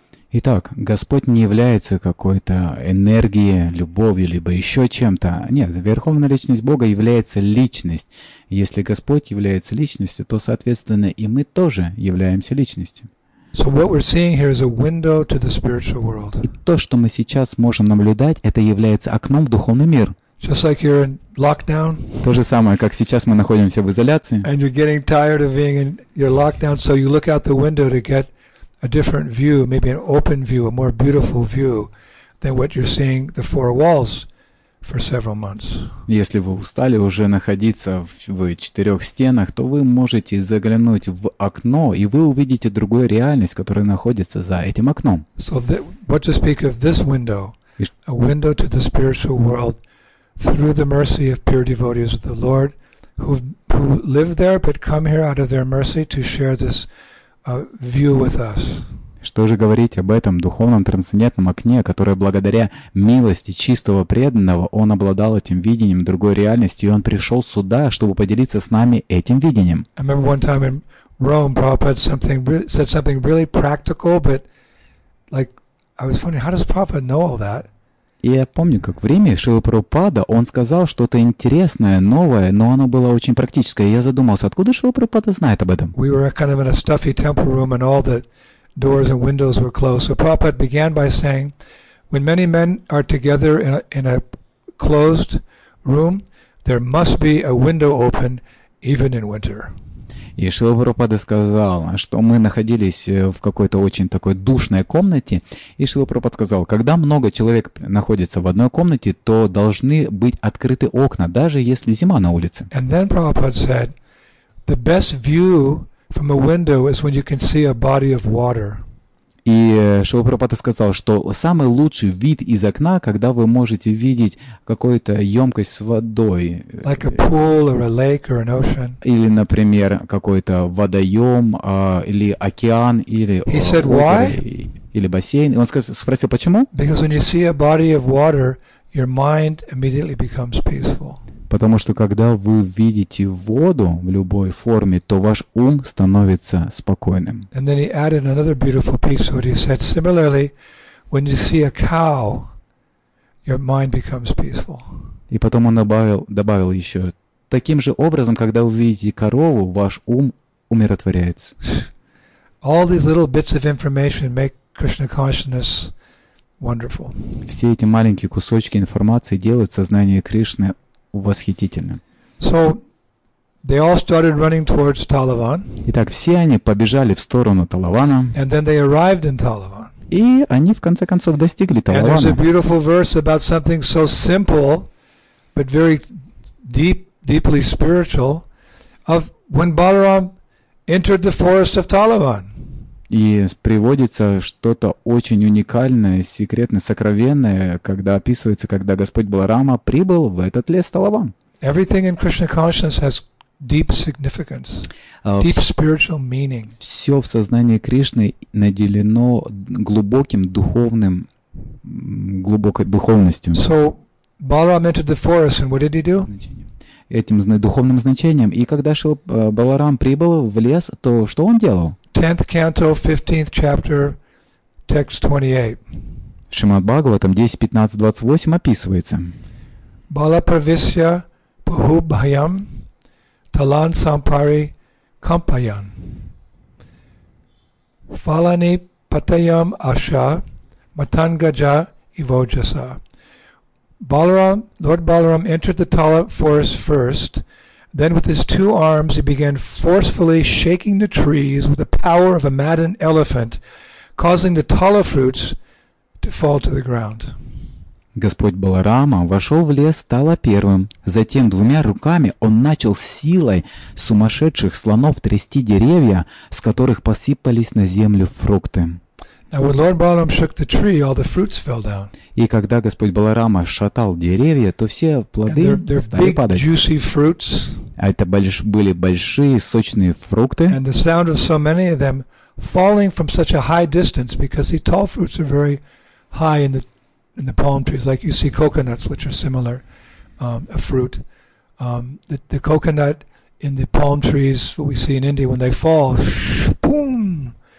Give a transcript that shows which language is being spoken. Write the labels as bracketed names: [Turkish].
[Russian] Итак, Господь не является какой-то энергией, любовью, либо еще чем-то. Нет, Верховная Личность Бога является Личность. Если Господь является Личностью, то, соответственно, и мы тоже являемся Личностью. [English] So what we're seeing here is a window to the spiritual world. [Russian] И то, что мы сейчас можем наблюдать, это является окном в духовный мир. [English] Just like you're in lockdown. [Russian] То же самое, как сейчас мы находимся в изоляции. [English] And you're getting tired of being in your lockdown, so you look out the window to get a different view, maybe an open view, a more beautiful view than what you're seeing the four walls for several months. [Russian] Если вы устали уже находиться в четырех стенах, то вы можете заглянуть в окно, и вы увидите другую реальность, которая находится за этим окном. [English] So what to speak of this window, a window to the spiritual world through the mercy of pure devotees of the Lord who live there but come here out of their mercy to share this view with us. [Russian] Что же говорить об этом духовном трансцендентном окне, которое благодаря милости чистого преданного, он обладал этим видением другой реальности, и он пришел сюда, чтобы поделиться с нами этим видением. [English] I remember one time in Rome, Prabhupada said something really practical, but like, I was wondering, how does Prabhupada know all that? [Russian] И я помню, как в Риме Шрила Прабхупада, он сказал что-то интересное, новое, но оно было очень практическое. И я задумался, откуда Шрила Прабхупада знает об этом? [English] We were kind of in a stuffy temple room and all the doors and windows were closed. So Prabhupada began by saying, when many men are together in a closed room, there must be a window open even in winter. [Russian] И Шрила Прабхупада сказал, что мы находились в какой-то очень такой душной комнате. И Шрила Прабхупада сказал, когда много человек находится в одной комнате, то должны быть открыты окна, даже если зима на улице. [English] And then Prabhupada said, the best view from a window is when you can see a body of water. [Russian] И Шилапрабхупада сказал, что самый лучший вид из окна, когда вы можете видеть какую-то емкость с водой. [English] Like a pool or a lake or an ocean. [Russian] Или, например, какой-то водоем, или океан, или [English] He said, [Russian] озеро, [English] why? [Russian] Или бассейн. И он спросил, почему? [English] Because when you see a body of water, your mind immediately becomes peaceful. [Russian] Потому что когда вы видите воду в любой форме, то ваш ум становится спокойным. [English] And then he added another beautiful piece. What he said similarly, when you see a cow, your mind becomes peaceful. [Russian] И потом он добавил еще таким же образом, когда вы видите корову, ваш ум умиротворяется. [English] All these little bits of information make Krishna consciousness. Wonderful. [Russian] Все эти маленькие кусочки информации делают сознание Кришны восхитительным. [English] So, they all started running towards Talavan. [Russian] Итак, все они побежали в сторону Талавана. [English] And then they arrived in Talavan. [Russian] И они в конце концов достигли Талавана. [English] And there's a beautiful verse about something so simple, but very deeply spiritual, of when Balaram entered the forest of Talavan. [Russian] И приводится что-то очень уникальное, секретное, сокровенное, когда описывается, когда Господь Баларама прибыл в этот лес Талаван. [English] Everything in Krishna consciousness has deep significance, deep spiritual meaning. [Russian] Все в сознании Кришны наделено глубоким духовным, глубокой духовностью. [English] So Balaram entered the forest, and what did he do? [Russian] Этим духовным значением. И когда Баларам прибыл в лес, то что он делал? [English] 10th canto, 15th chapter, text 28. [Russian] Шримад Бхагаватам 10.15.28 описывается. [Sanskrit] Бала прависья бахубхаям талан сампари кампаян фалани патаям аша матангаджа иводжаса. [English] Balaram, Lord Balaram entered the Tala forest first. Then with his two arms he began forcefully shaking the trees with the power of a maddened elephant, causing the tala fruits to fall to the ground. [Russian] Господь Баларама вошел в лес Тала первым. Затем двумя руками он начал силой сумасшедших слонов трясти деревья, с которых посыпались на землю фрукты. [English] Now when Lord Balaram shook the tree, all the fruits fell down. [Russian] И когда Господь Баларама шатал деревья, то все плоды стали падать. [English] Juicy fruits. [Russian] А это были большие сочные фрукты. [English] And the sound of so many of them falling from such a high distance, because the tall fruits are very high in the palm trees, like you see coconuts, which are similar a fruit. The coconut in the palm trees, what we see in India, when they fall, boom.